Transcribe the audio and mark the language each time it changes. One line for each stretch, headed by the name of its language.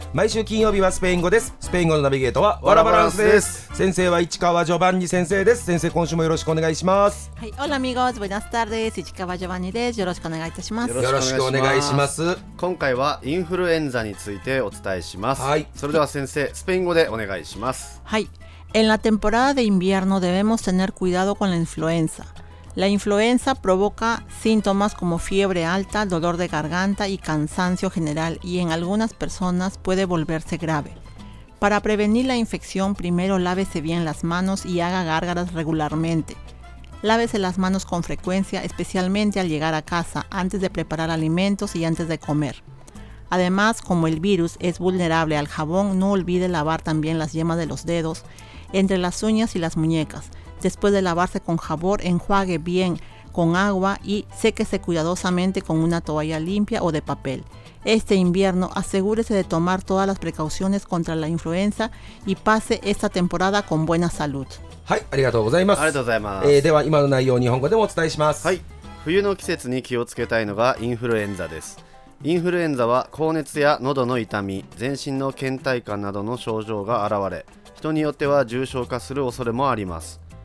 Japanese: 毎週金曜日はスペイン語です。スペイン語のナビゲートはワラバランスです。先生は市川ジョバンニ先生です。先生今週もよろしくお願いします。はい、
Spanish: オラミゴーズブナスタール
Japanese: です。市川ジョバンニです。よろしくお願いいたします。よろしくお願いします。今回はインフルエンザについてお伝えします。はい、それでは先生スペイン語でお願いします。
Spanish: はい、En la temporada de invierno debemos tener cuidado con la influenza. La influenza provoca síntomas como fiebre alta, dolor de garganta y cansancio general, y en algunas personas puede volverse grave. Para prevenir la infección, primero lávese bien las manos y haga gárgaras regularmente. Lávese las manos con frecuencia, especialmente al llegar a casa, antes de preparar alimentos y antes de comer. Además, como el virus es vulnerable al jabón, no olvide lavar también las yemas de los dedos, entre las uñas y las muñecas. Después de lavarse con jabón, enjuague bien con agua y séquese cuidadosamente con una toalla limpia o de papel. Este invierno, asegúrese de tomar todas las precauciones contra la influenza y pase esta temporada con buena salud.
Japanese: はい、ありがとうございます。ありがとうございます。では今の内容を日本語でもお伝えします。はい、冬の季節に気をつけたいのがインフルエンザです。インフルエンザは高熱や喉の痛み、全身の倦怠感などの症状が現れ、人によっては重症化する恐れもあります。